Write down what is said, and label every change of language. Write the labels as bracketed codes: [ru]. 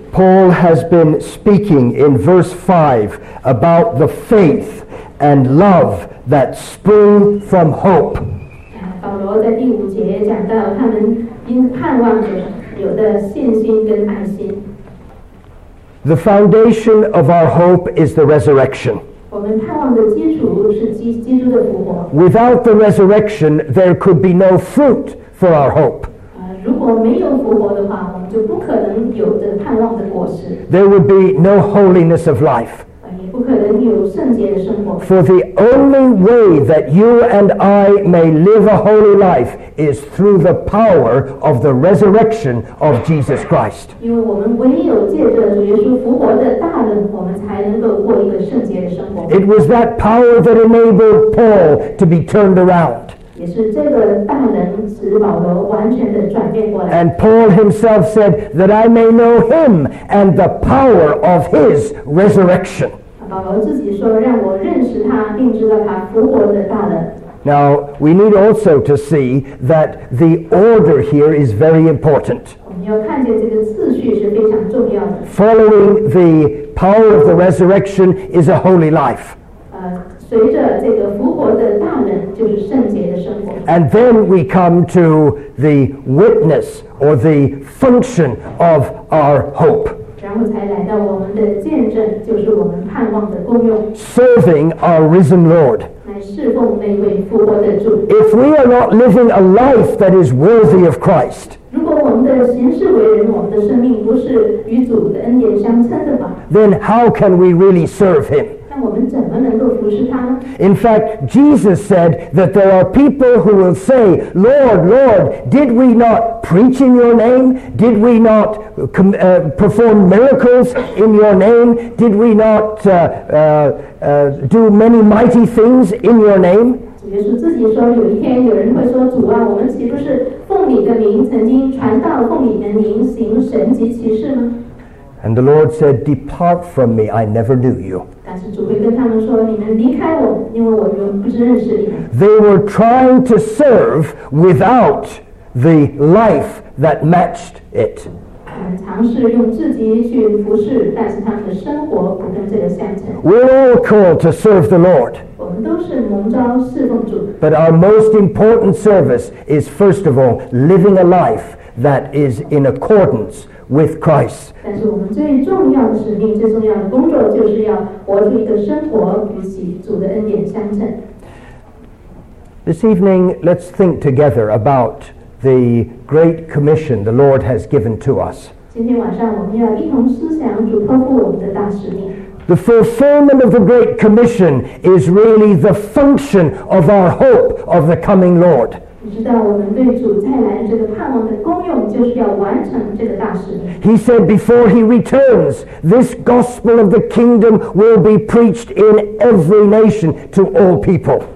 [en] Paul has been speaking in verse 5 about the faith and love that spring from hope. [zh] 保罗在第五节讲到他们因盼望着有的信心跟爱心。 [en] The foundation of our hope is the resurrection. [zh] 我们盼望的基础是基督的复活。 [en] Without the resurrection, there could be no fruit for our hope. [zh] 如果没有复活的话，我们就不可能有着盼望的果实。 [en] There would be no holiness of life. [zh] 也不可能有圣洁的生活。 [en] For the only way that you and I may live a holy life is through the power of the resurrection of Jesus Christ. [zh] 因为我们唯有借着主耶稣复活的大能，我们才能够过一个圣洁的生活。 [en] It was that power that enabled Paul to be turned around. [zh] 也是这个大能使保罗完全的转变过来。 [en] And Paul himself said that I may know him and the power of his resurrection. [zh] 保罗自己说，让我认识他，并知道他复活的大能。 [en] Now we need also to see that the order here is very important. [zh] 我们要看见这个次序是非常重要的。 [en] Following the power of the resurrection is a holy life. [zh] 随着这个复活的大能就是圣洁的生活。 [en] And then we come to the witness or the function of our hope. [zh] 然后才来到我们的见证，就是我们盼望的功用。 [en] Serving our risen Lord. [zh] 来侍奉那位复活的主。 [en] If we are not living a life that is worthy of Christ, [zh] 如果我们的行事为人，我们的生命不是与主的恩典相称的话， [en] then how can we really serve him? In fact, Jesus said that there are people who will say, Lord, Lord, did we not preach in your name? Did we not perform miracles in your name? Did we not do many mighty things in your name? [zh] 耶稣自己说，有一天有人会说，主啊，我们岂不是奉你的名曾经传道，奉你的名行神迹奇事吗？ [en] And the Lord said, Depart from me, I never knew you. [zh] 但是主会跟他们说，你们离开我，因为我就不认识你们。 [en] They were trying to serve without the life that matched it. [zh] 尝试用自己去服侍，但是他们的生活不跟这个相称。 [en] We're all called to serve the Lord. [zh] 我们都是蒙召侍奉主。 [en] But our most important service is, first of all, living a life that is in accordance with Christ. [zh] 但是我们最重要的使命，最重要的工作，就是要活出一个生活与其主的恩典相称。 [en] This evening, let's think together about the great commission the Lord has given to us. [zh] 今天晚上我们要一同思想主托付我们的大使命。 [en] The fulfillment of the great commission is really the function of our hope of the coming Lord. [zh] 知道我们对主再来这个盼望的功用，就是要完成这个大使命。 [en] He said before he returns, this gospel of the kingdom will be preached in every nation to all people.